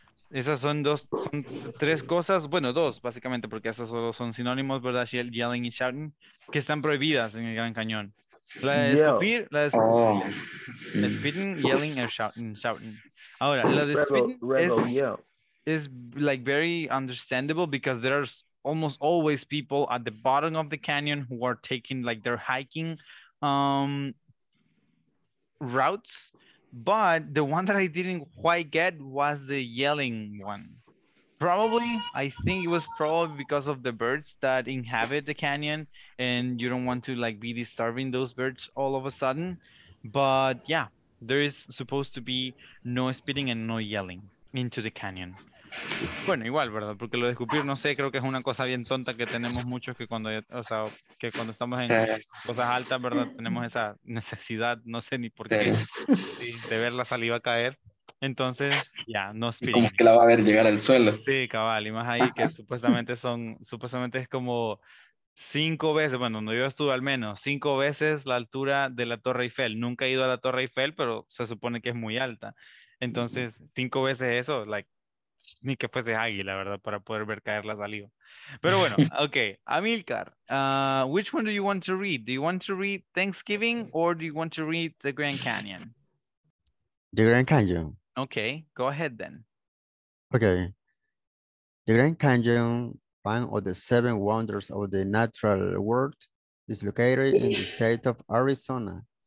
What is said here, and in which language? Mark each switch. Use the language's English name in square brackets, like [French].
[Spanish] Esas son tres cosas, bueno, dos básicamente, porque esas solo son sinónimos, ¿verdad? Yelling y shouting, que están prohibidas en el Gran Cañón. La de escupir, la de escupir. Oh. [English] Spitting, yelling, and shouting. [Spanish] Ahora, la de [English] spitting is like very understandable because there's almost always people at the bottom of the canyon who are taking like their hiking routes. But the one that I didn't quite get was the yelling one. Probably, I think it was probably because of the birds that inhabit the canyon and you don't want to like be disturbing those birds all of a sudden. But yeah, there is supposed to be no spitting and no yelling into the canyon. [Spanish] Bueno, igual, ¿verdad? Porque lo de escupir, no sé, creo que es una cosa bien tonta que tenemos muchos que cuando, o sea, que cuando estamos en cosas altas, ¿verdad? Tenemos esa necesidad, no sé ni por qué, de ver la saliva caer. Entonces, ya, no spitting. Como que la va a ver llegar al suelo. Sí, cabal, y más ahí que supuestamente es como 5 veces, bueno, donde yo estuve al menos, 5 veces la altura de la Torre Eiffel. Nunca he ido a la Torre Eiffel, pero se supone que es muy alta. Entonces, 5 veces eso, like, ni que fuese águila, ¿verdad? Para poder ver caer la saliva. Pero bueno, okay. [English] Amilcar, which one do you want to read? Do you want to read Thanksgiving or do you want to read the Grand Canyon? The Grand Canyon. Okay, go ahead then. Okay. The Grand Canyon, one of the 7 wonders of the natural world, is located in the state of Arizona.